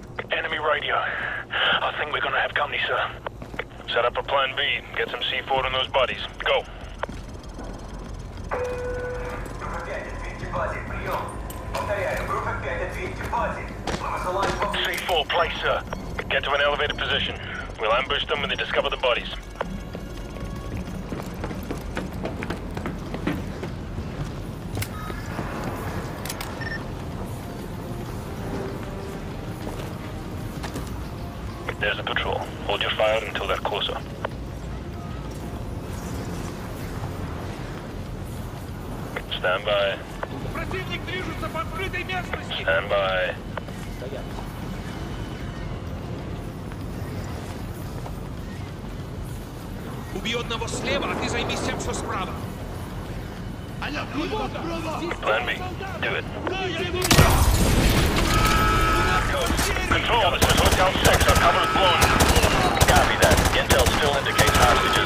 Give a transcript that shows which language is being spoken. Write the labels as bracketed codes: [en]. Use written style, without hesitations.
[en] Enemy radio. I think we're gonna have company, sir. Set up a plan B. Get some C4 on those bodies. Go! [ru] Группа 5, ответьте базе! Прием! Повторяю, группа 5, ответьте базе! Мы высылаем его... [en] C4, place, sir! Get to an elevated position. We'll ambush them when they discover the bodies. There's the patrol. Hold your fire until they're closer. Stand by. [ru] Противник движется по открытой местности. [en] Stand by. [ru] Убей одного слева, а ты займись тем, что справа. [en] Plan B. Do it. Control, this is Hotel 6. Our cover is blown. Copy that. Intel still indicates hostile.